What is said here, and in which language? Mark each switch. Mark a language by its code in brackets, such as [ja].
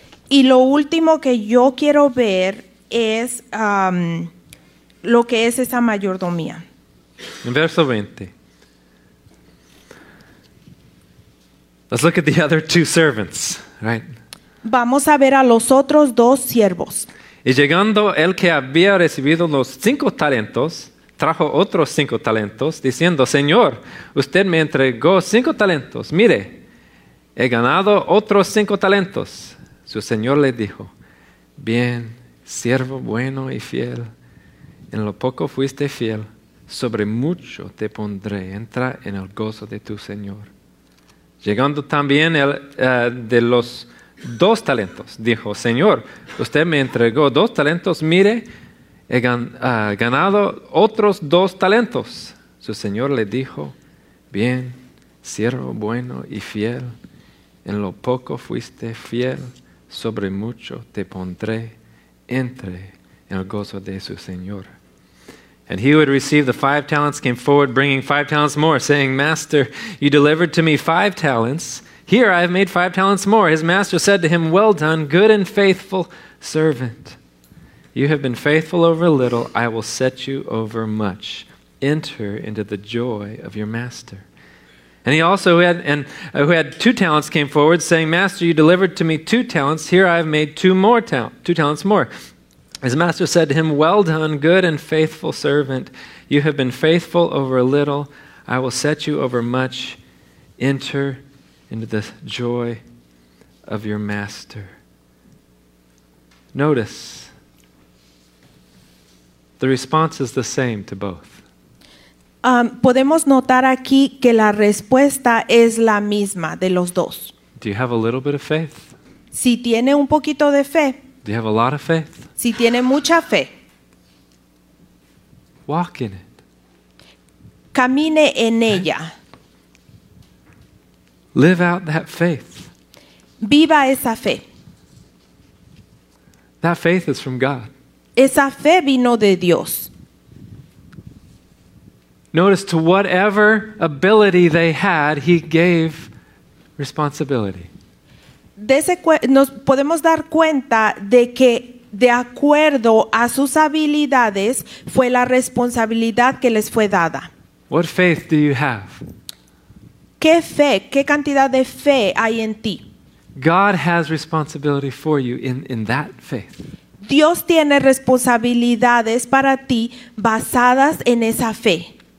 [es] Y lo último que yo quiero ver es lo que es esa mayordomía. En verso 20. [en] Let's look at the other two servants, right? [es] Vamos a ver a los otros dos siervos. Y llegando el que había recibido los 5 talentos, trajo otros 5 talentos, diciendo, Señor, usted me entregó 5 talentos. Mire, he ganado otros 5 talentos. Su señor le dijo, bien, siervo bueno y fiel, en lo poco fuiste fiel, sobre mucho te pondré. Entra en el gozo de tu señor. Llegando también el de los 2 talentos, dijo, Señor, usted me entregó 2 talentos. Mire, he ganado otros 2 talentos. Su señor le dijo, bien, siervo bueno y fiel, en lo poco fuiste fiel, sobre mucho te pondré, entre en el gozo de su señor. [en] And he who had received the 5 talents came forward, bringing 5 talents more, saying, Master, you delivered to me 5 talents. Here I have made 5 talents more. His master said to him, well done, good and faithful servant. You have been faithful over a little, I will set you over much. Enter into the joy of your master. And he also who had 2 talents came forward, saying, Master, you delivered to me 2 talents. Here I have made 2 talents more. His master said to him, "Well done, good and faithful servant. You have been faithful over a little. I will set you over much. Enter into the joy of your master." Notice, the response is the same to both. [es] Podemos notar aquí que la respuesta es la misma de los dos. [en] Do you have a little bit of faith? [es] Si tiene un poquito de fe. [en] Do you have a lot of faith? [es] Si tiene mucha fe. [en] Walk in it. [es] Camine en ella. [en] Live out that faith. [es] Viva esa fe. [en] That faith is from God. [es] Esa fe vino de Dios. [en] Notice, to whatever ability they had, he gave responsibility. [es] Nos podemos dar cuenta de que de acuerdo a sus habilidades fue la responsabilidad que les fue dada. [en] What faith do you have? [es] ¿Qué fe, qué cantidad de fe hay en ti? [en] God has responsibility for you in that faith. [es] Dios tiene responsabilidades para ti basadas en esa fe.